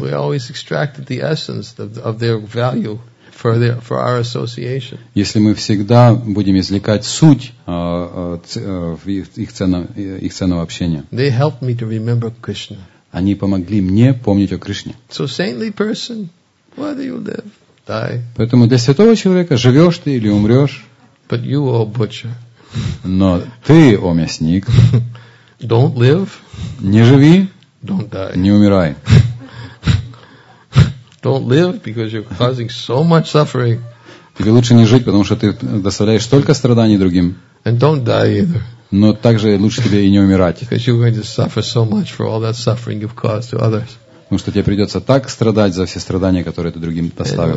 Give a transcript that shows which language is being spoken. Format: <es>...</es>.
<en>We always extracted the essence of their value for our association.</en> <ru>Если мы всегда будем извлекать суть их ценного общения.</ru> <en>They helped me to remember Krishna.</en> <ru>Они помогли мне помнить о Кришне.</ru> <en>So saintly person, whether you live, die.</en> <ru>Поэтому для святого человека живешь ты или умрешь.</ru> <en>But you, O butcher.</en> <ru>Но ты, о мясник.</ru> <en>Don't live.</en> <ru>Не живи.</ru> <en>Don't die.</en> <ru>Не умирай.</ru> <en>Don't live because you're causing so much suffering.</en> <ru>Тебе лучше не жить, потому что ты доставляешь столько страданий другим.</ru> <en>And don't die either.</en> <ru>Но также лучше тебе и не умирать.</ru> <en>Because you're going to suffer so much for all that suffering you've caused to others.</en> <ru>Потому что тебе придется так страдать за все страдания, которые ты другим доставил.</ru>